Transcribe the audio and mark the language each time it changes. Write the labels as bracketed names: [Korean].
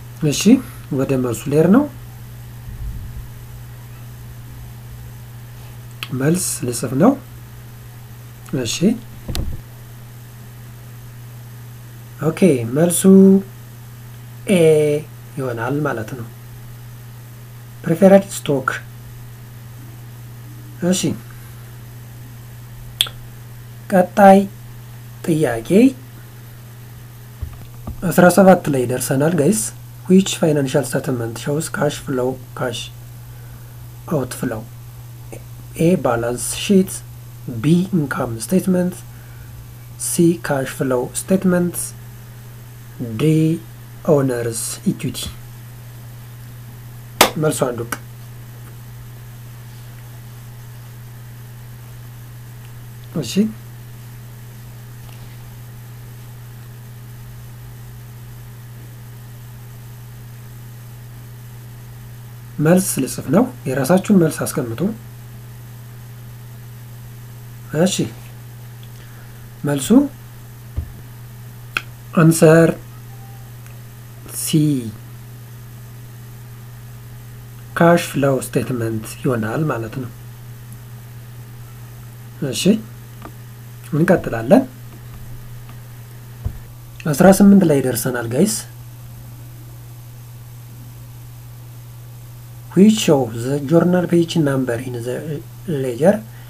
[Amharic] እሺ ወደ መልሱ ሌር ነው መልስ ልጽፍ ነው። እሺ ኦኬ መልሱ ኤ ይሆናል ማለት ነው። [English] preferred stock. [Amharic] እሺ ቀጣይ ጥያቄ 17 ላይ ደርሰናል guys. [English] which financial statement shows cash flow cash outflow? a balance sheet, b income statement, c cash flow statement, d owner's equity. [Amharic] መልሶ አንዱክ እሺ መልስ ልጽፍ ነው የራሳችሁን መልስ አስቀምጡ። እሺ መልሱ አንሰር ሲ cash flow statement ይሆናል ማለት ነው። እሺ ምን ቀጥላለን 18 ላይ ደርሰናል guys. [English] which shows the journal page number in the ledger?